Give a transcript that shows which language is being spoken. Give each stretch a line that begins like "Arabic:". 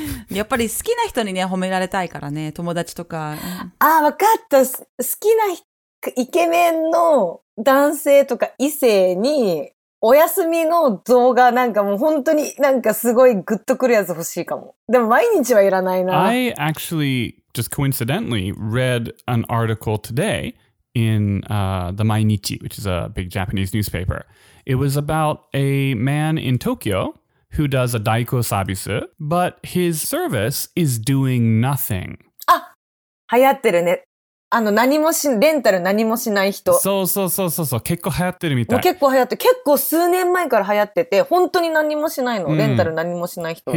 Japanese: やっぱり好きな人にね、褒められたいからね、友達とか。ああ、わかった。好きなイケメンの男性とか異性に、お休みの動画なんかもう本当になんかすごいグッとくるやつ欲しいかも。でも毎日はいらないな。
English: I actually just coincidentally read an article today. In the Mainichi, which is a big Japanese newspaper. It was about a man in Tokyo who does a daiko sabisu, but his service is doing nothing.
Japanese: Ah, 流行ってるね。あの、何もし、レンタル何もしない人。そうそうそうそう、結構流行ってるみたい。結構流行って、結構数年前から流行ってて、本当に何もしないの、レンタル何もしない人は。